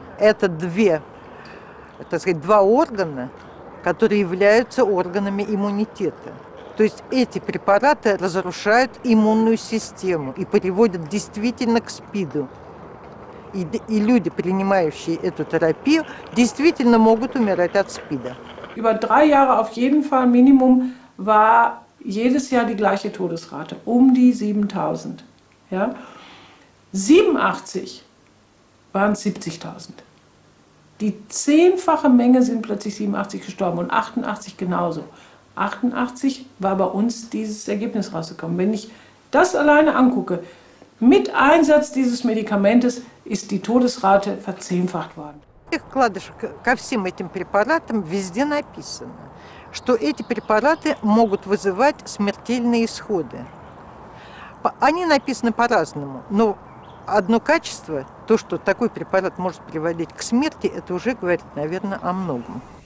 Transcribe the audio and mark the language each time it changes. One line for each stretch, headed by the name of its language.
Russian: Это две, так сказать, два органа, которые являются органами иммунитета. То есть эти препараты разрушают иммунную систему и приводят действительно к СПИДу. И люди, принимающие эту терапию, действительно могут умирать от СПИДа.
German: Über drei Jahre auf jeden Fall Minimum war jedes Jahr die gleiche Todesrate, um die 7.000. Ja? 87 waren 70.000. Die zehnfache Menge sind plötzlich 87 gestorben und 88 genauso. 88 war bei uns dieses Ergebnis rausgekommen. Wenn ich das alleine angucke, mit Einsatz dieses Medikamentes ist die Todesrate verzehnfacht worden.
Russian: В этих вкладышах ко всем этим препаратам везде написано, что эти препараты могут вызывать смертельные исходы. Они написаны по-разному, но одно качество, то, что такой препарат может приводить к смерти, это уже говорит, наверное, о многом.